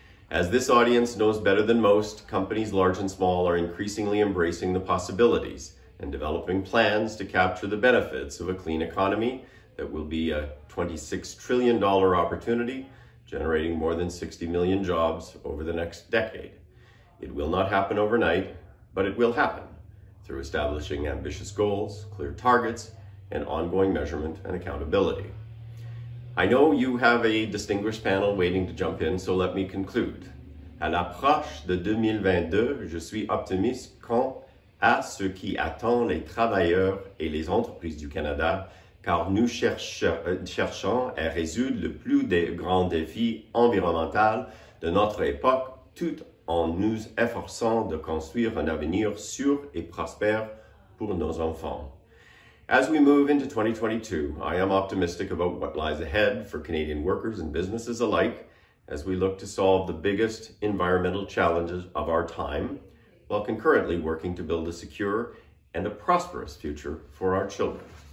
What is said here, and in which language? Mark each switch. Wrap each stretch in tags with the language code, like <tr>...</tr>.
<en>As this audience knows better than most, companies large and small are increasingly embracing the possibilities and developing plans to capture the benefits of a clean economy that will be a $26 trillion opportunity, generating more than 60 million jobs over the next decade. It will not happen overnight, but it will happen through establishing ambitious goals, clear targets, and ongoing measurement and accountability. I know you have a distinguished panel waiting to jump in, so let me conclude.</en> <fr>À l'approche de 2022, je suis optimiste quant à ce qui attend les travailleurs et les entreprises du Canada, car nous cherchons à résoudre le plus grand défi environnemental de notre époque, tout en nous efforçant de construire un avenir sûr et prospère pour nos enfants.</fr> <en>As we move into 2022, I am optimistic about what lies ahead for Canadian workers and businesses alike as we look to solve the biggest environmental challenges of our time, while concurrently working to build a secure and a prosperous future for our children.</en>